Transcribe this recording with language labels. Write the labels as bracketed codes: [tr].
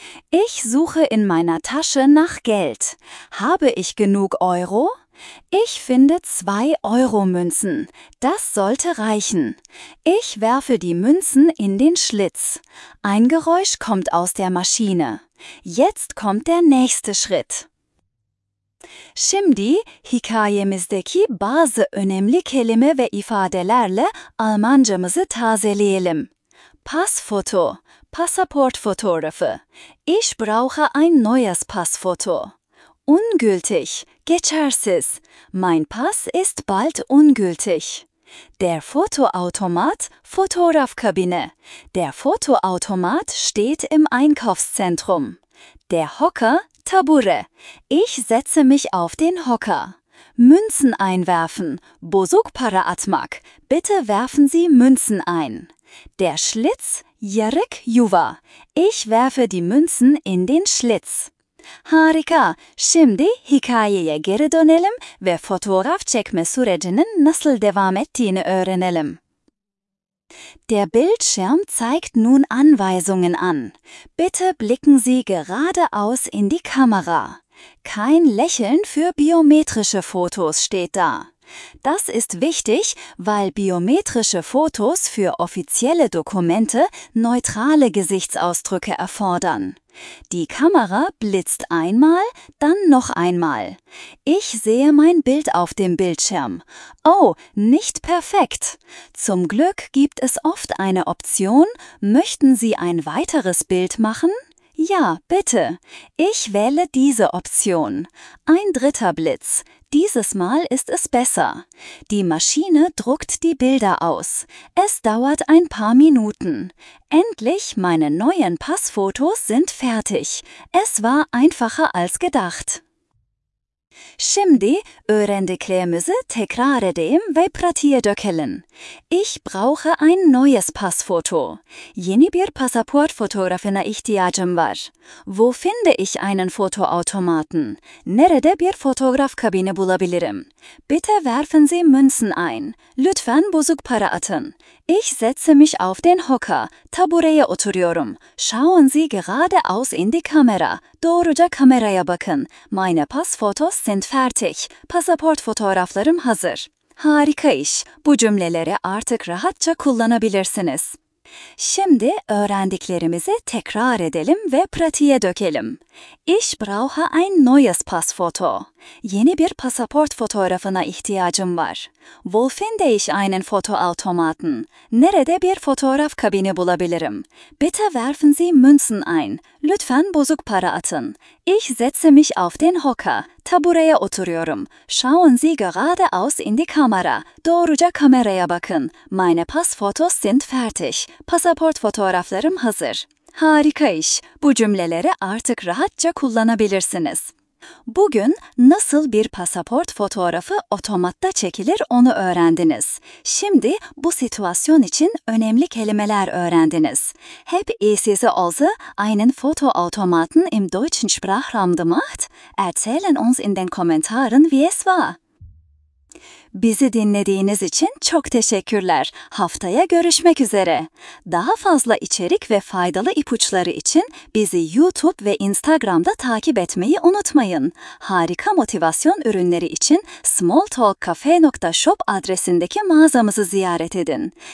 [de] Ich suche in meiner Tasche nach Geld. Habe ich genug Euro? Ich finde 2-Euro-Münzen. Das sollte reichen. Ich werfe die Münzen in den Schlitz. Ein Geräusch kommt aus der Maschine. Jetzt kommt der nächste Schritt. [tr] Şimdi hikayemizdeki bazı önemli kelime ve ifadelerle Almancamızı tazeleyelim. Passfoto, pasaportfotoğrafı. [de] Ich brauche ein neues Passfoto. Ungültig, geçersiz. Mein Pass ist bald ungültig. Der Fotoautomat, Fotoğrafkabine. Der Fotoautomat steht im Einkaufszentrum. Der Hocker, Tabure. Ich setze mich auf den Hocker. Münzen einwerfen. [tr] Bozuk para atmak. [de] Bitte werfen Sie Münzen ein. Der Schlitz. [tr] Yarık yuva. [de] Ich werfe die Münzen in den Schlitz. [tr] Harika. Şimdi hikayeye geri dönelim ve fotoğraf çekme sürecinin nasıl devam ettiğini öğrenelim. [de] Der Bildschirm zeigt nun Anweisungen an. Bitte blicken Sie geradeaus in die Kamera. Kein Lächeln für biometrische Fotos steht da. Das ist wichtig, weil biometrische Fotos für offizielle Dokumente neutrale Gesichtsausdrücke erfordern. Die Kamera blitzt einmal, dann noch einmal. Ich sehe mein Bild auf dem Bildschirm. Oh, nicht perfekt! Zum Glück gibt es oft eine Option, möchten Sie ein weiteres Bild machen? Ja, bitte. Ich wähle diese Option. Ein dritter Blitz. Dieses Mal ist es besser. Die Maschine druckt die Bilder aus. Es dauert ein paar Minuten. Endlich, meine neuen Passfotos sind fertig. Es war einfacher als gedacht. [tr] Şimdi öğrendiklerimizi tekrar edeyim ve pratiğe dökelim. [de] Ich brauche ein neues Passfoto. [tr] Yeni bir pasaport fotoğrafına ihtiyacım var. [de] Wo finde ich einen Fotoautomaten? [tr] Nerede bir fotoğraf kabini bulabilirim? [de] Bitte werfen Sie Münzen ein. [tr] Lütfen bozuk para atın. [de] Ich setze mich auf den Hocker. [tr] Tabureye oturuyorum. [de] Schauen Sie geradeaus in die Kamera. [tr] Doğruca kameraya bakın. [de] Meine Passfotos sind fertig. [tr] Pasaport fotoğraflarım hazır. Harika iş. Bu cümleleri artık rahatça kullanabilirsiniz. Şimdi öğrendiklerimizi tekrar edelim ve pratiğe dökelim. [de] Ich brauche ein neues Passfoto. [tr] Yeni bir pasaport fotoğrafına ihtiyacım var. [de] Wo finde ich einen Fotoautomaten? [tr] Nerede bir fotoğraf kabini bulabilirim? [de] Bitte werfen Sie Münzen ein. [tr] Lütfen bozuk para atın. [de] Ich setze mich auf den Hocker. [tr] Tabureye oturuyorum. [de] Schauen Sie geradeaus in die Kamera. [tr] Doğruca kameraya bakın. [de] Meine Passfotos sind fertig. [tr] Pasaport fotoğraflarım hazır. Harika iş. Bu cümleleri artık rahatça kullanabilirsiniz. Bugün nasıl bir pasaport fotoğrafı otomatta çekilir onu öğrendiniz. Şimdi bu situasyon için önemli kelimeler öğrendiniz. [de] Heb ist es also einen Fotoautomaten im deutschen Sprachraum gemacht? Erzählen uns in den Kommentaren, wie es war. [tr] Bizi dinlediğiniz için çok teşekkürler. Haftaya görüşmek üzere. Daha fazla içerik ve faydalı ipuçları için bizi YouTube ve Instagram'da takip etmeyi unutmayın. Harika motivasyon ürünleri için smalltalkcafe.shop adresindeki mağazamızı ziyaret edin.